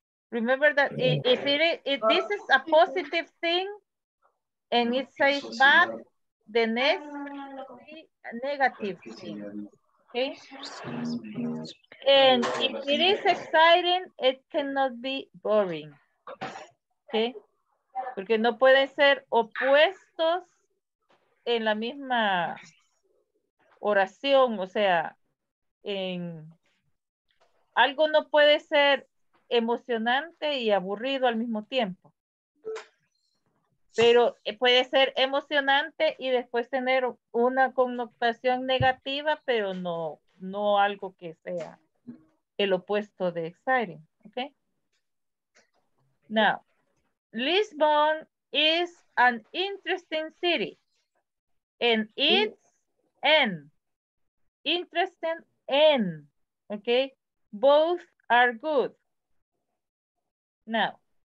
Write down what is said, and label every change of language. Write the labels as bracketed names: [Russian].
[English] Remember that if this is a positive thing and it says bad, the next be a negative thing. Okay? And if it is exciting, it cannot be boring. Okay? [Spanish] Porque no pueden ser opuestos en la misma oración, o sea, en algo no puede ser emocionante y aburrido al mismo tiempo. Pero puede ser emocionante y después tener una connotación negativa, pero no, no algo que sea el opuesto de exciting, okay? [English] Now, Lisbon is an interesting city, and it's an interesting and, okay? Both are good. Now,